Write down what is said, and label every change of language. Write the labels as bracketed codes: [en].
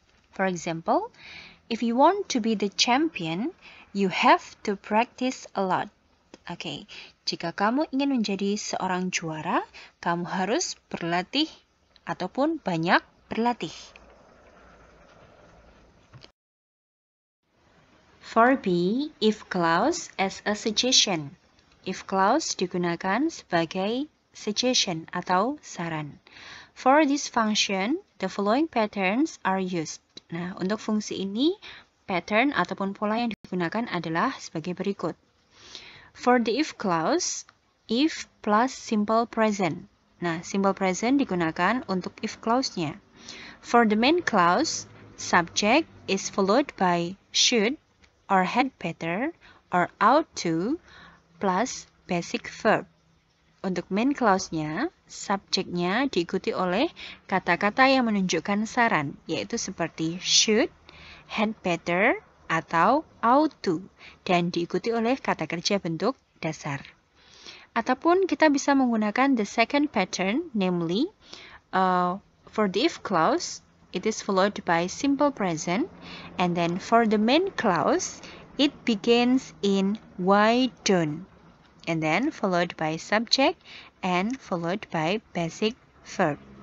[en] For example, if you want to be the champion, you have to practice a lot. Okay. [id] Jika kamu ingin menjadi seorang juara, kamu harus berlatih ataupun banyak berlatih. [en] For B, if clause as a suggestion. [id] If clause digunakan sebagai suggestion atau saran. [en] For this function, the following patterns are used. [id] Nah, untuk fungsi ini, pattern ataupun pola yang digunakan adalah sebagai berikut. [en] For the if clause, if plus simple present. [id] Nah, simple present digunakan untuk if clause-nya. [en] For the main clause, subject is followed by should or had better or ought to plus basic verb. [id] Untuk main clause-nya, subjeknya diikuti oleh kata-kata yang menunjukkan saran, yaitu seperti should, had better, atau ought to, dan diikuti oleh kata kerja bentuk dasar. Ataupun kita bisa menggunakan [en] the second pattern, namely, for the if clause, it is followed by simple present, and then for the main clause, it begins in why don't, and then followed by subject, and followed by basic verb.